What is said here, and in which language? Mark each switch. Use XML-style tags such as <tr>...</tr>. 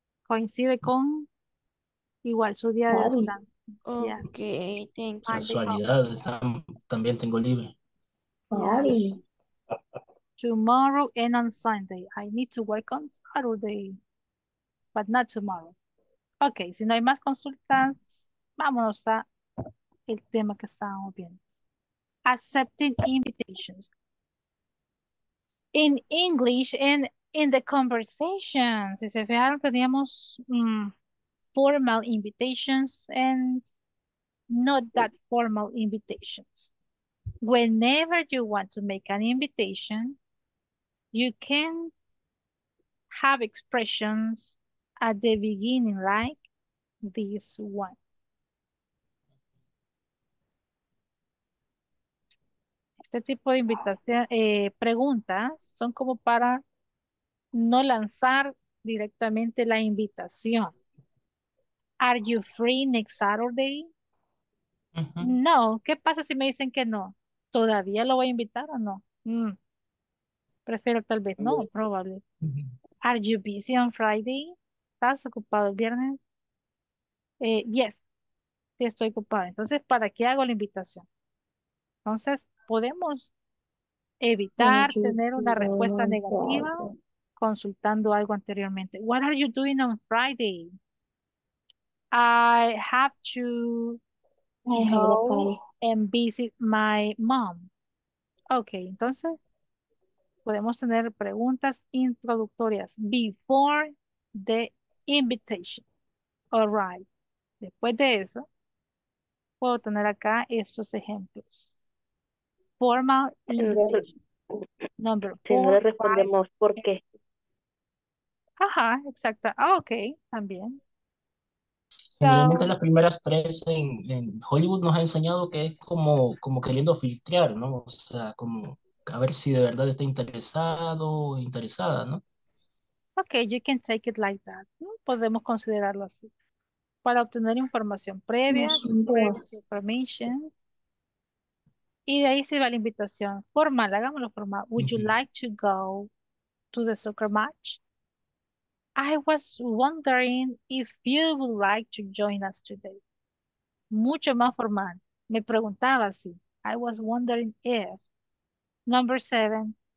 <es>Coincide con igual su día de descanso. Ok, yeah. Casualidad, también tengo libre.</es> <en>Yeah. Tomorrow and on Sunday. I need to work on Saturday, but not tomorrow.</en> <es>Ok, si no hay más consultas, vámonos a el tema que estábamos viendo.</es> <en>Accepting invitations. In English and in the conversation.</en> <es>Si se fijaron, teníamos</es> <en>formal invitations and not that formal invitations. Whenever you want to make an invitation, you can have expressions at the beginning like this one.</en> <es>Este tipo de invitación, preguntas son como para no lanzar directamente la invitación.</es> <en>Are you free next Saturday? Uh-huh.</en> <es>No. ¿Qué pasa si me dicen que no? ¿Todavía lo voy a invitar o no? Mm. Prefiero tal vez no, probably. Uh-huh.</es> <en>Are you busy on Friday?</en> <es>¿Estás ocupado el viernes?</es> <en>Yes.</en> <es>Sí, estoy ocupado. Entonces, ¿para qué hago la invitación? Entonces, podemos evitar tener una respuesta negativa consultando algo anteriormente.</es> <en>What are you doing on Friday? I have to go and visit my mom. Okay,</en> <es>entonces podemos tener preguntas introductorias</es> <en>before the invitation. All right.</en> <es>Después de eso, puedo tener acá estos ejemplos. Formal invitation.</es> <en>Number</en> <es>si</es> <en>four,</en> <es>no le respondemos, five, ¿por qué? Ajá, exacto. Ah, ok, también. Generalmente las primeras tres en Hollywood nos ha enseñado que es como queriendo filtrar, ¿no? O sea, como a ver si de verdad está interesado o interesada, ¿no?</es> <en>Ok, you can take it like that. ¿No?</en> <es>Podemos considerarlo así. Para obtener información previa, permission. Y de ahí se va la invitación formal, hagámoslo formal.</es> <en>Would you like to go to the soccer match? I was wondering if you would like to join us today.</en> <es>Mucho más formal. Me preguntaba si.</es> <en>I was wondering if. Number seven.</en>